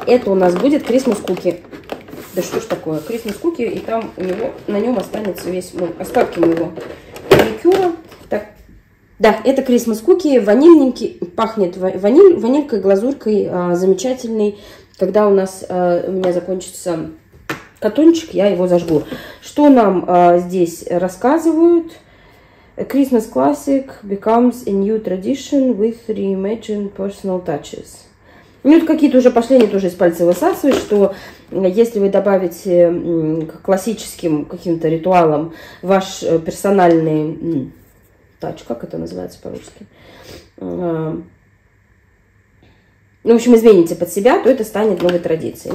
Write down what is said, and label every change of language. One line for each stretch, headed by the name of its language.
Russian: Это у нас будет Christmas Cookie. Да что ж такое? Christmas Cookie, и там у него, на нем останется весь мой, остатки моего маникюра. Так. Да, это Christmas Cookie, ванильненький, пахнет ванилькой, глазурькой, замечательный. Когда у меня закончится катончик, я его зажгу. Что нам здесь рассказывают?
English: A Christmas classic becomes a new tradition with reimagined personal touches.
Russian: Ну, это какие-то уже последние тоже из пальца высасывают, что если вы добавите к классическим каким-то ритуалам ваш персональный... как это называется по-русски, ну, в общем, измените под себя, то это станет новой традицией.